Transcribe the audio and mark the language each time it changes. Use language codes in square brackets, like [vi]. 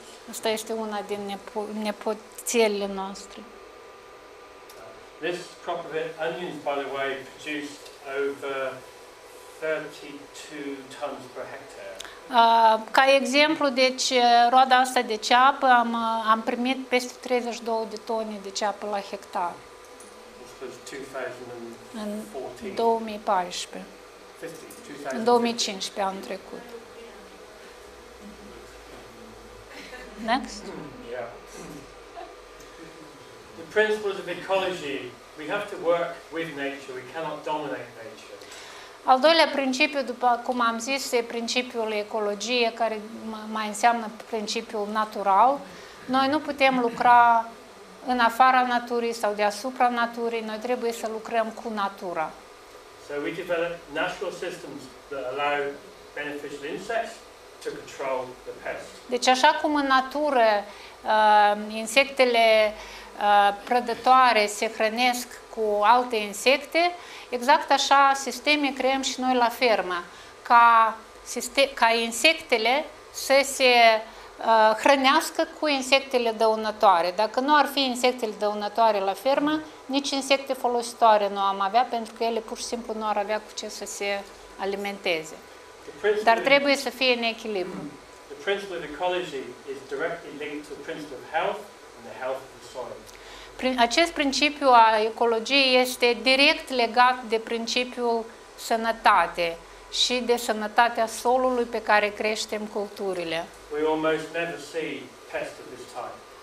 [ro] Asta este una din nepoțiile noastre. [en] This crop of onions, by the way, produce over 32 tons per hectare. [ro] Ca exemplu, deci roada asta de ceapă am primit peste 32 de tone de ceapă la hectar. [en] This was 2014. [ro] În 2014. În 2015, anul trecut. [en] Next. Yeah. The principles of ecology. We have to work with nature. We cannot dominate nature. [ro] Al doilea principiu, după cum am zis, e principiul ecologie, care mai înseamnă principiul natural. Noi nu putem lucra în afara naturii sau deasupra naturii, noi trebuie să lucrăm cu natura. [en] So we develop natural systems that allow beneficial insects to control the pests. [ro] Deci așa cum în natură insectele prădătoare se hrănesc cu alte insecte, exact așa sisteme creăm și noi la fermă, ca insectele să se hrănească cu insectele dăunătoare. Dacă nu ar fi insectele dăunătoare la fermă, nici insecte folositoare nu am avea, pentru că ele pur și simplu nu ar avea cu ce să se alimenteze. Dar trebuie să fie în echilibru. [en] The principle of ecology is directly linked to the principle of health and the health of the soil. [ro] Acest principiu a ecologiei este direct legat de principiul sănătate și de sănătatea solului pe care creștem culturile. [en] We almost never see pests of this type.